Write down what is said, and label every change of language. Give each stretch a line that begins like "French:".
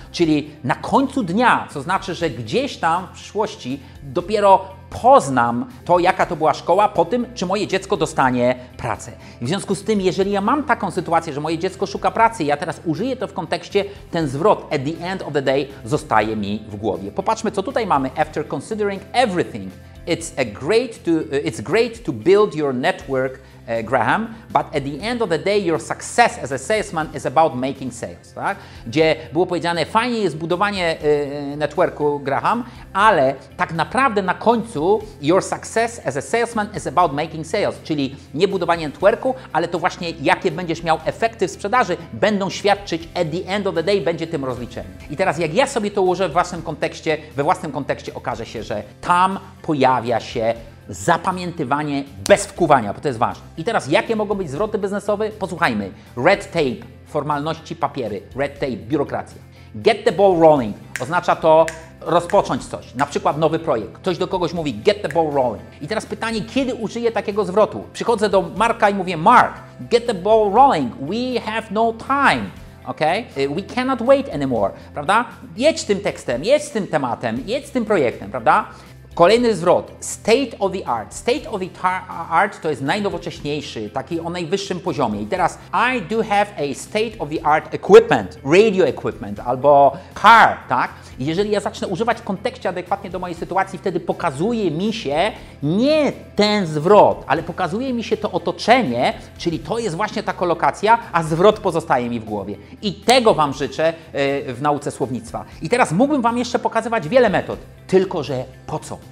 Polish: Czyli na końcu dnia, co znaczy, że gdzieś tam w przyszłości dopiero poznam to, jaka to była szkoła, po tym, czy moje dziecko dostanie pracę. W związku z tym, jeżeli ja mam taką sytuację, że moje dziecko szuka pracy, ja teraz użyję to w kontekście, ten zwrot
English: at the end of the day
Polish: zostaje mi w głowie. Popatrzmy, co tutaj mamy.
English: After considering everything, it's great to build your network, Graham, but at the end of the day your success as a salesman is about making sales, tak?
Polish: Gdzie było powiedziane, fajnie jest budowanie networku, Graham, ale tak naprawdę na końcu
English: your success as a salesman is about making sales,
Polish: czyli nie budowanie networku, ale to właśnie jakie będziesz miał efekty w sprzedaży będą świadczyć
English: at the end of the day
Polish: będzie tym rozliczeniem. I teraz jak ja sobie to ułożę we własnym kontekście okaże się, że tam pojawia się zapamiętywanie bez wkuwania, bo to jest ważne. I teraz, jakie mogą być zwroty biznesowe? Posłuchajmy.
English: Red tape,
Polish: formalności, papiery.
English: Red tape,
Polish: biurokracja.
English: Get the ball rolling,
Polish: oznacza to rozpocząć coś. Na przykład nowy projekt. Ktoś do kogoś mówi,
English: get the ball rolling.
Polish: I teraz pytanie, kiedy użyję takiego zwrotu? Przychodzę do Marka i mówię,
English: Mark, get the ball rolling, we have no time. Okay? We cannot wait anymore, prawda?
Polish: Jedź tym tekstem, jedź tym tematem, jedź tym projektem, prawda? Kolejny zwrot,
English: state of the art. State of the art
Polish: to jest najnowocześniejszy, taki o najwyższym poziomie. I teraz,
English: I do have a state of the art equipment, radio equipment
Polish: albo
English: car,
Polish: tak? Jeżeli ja zacznę używać w kontekście adekwatnie do mojej sytuacji, wtedy pokazuje mi się nie ten zwrot, ale pokazuje mi się to otoczenie, czyli to jest właśnie ta kolokacja, a zwrot pozostaje mi w głowie. I tego Wam życzę w nauce słownictwa. I teraz mógłbym Wam jeszcze pokazywać wiele metod, tylko że po co?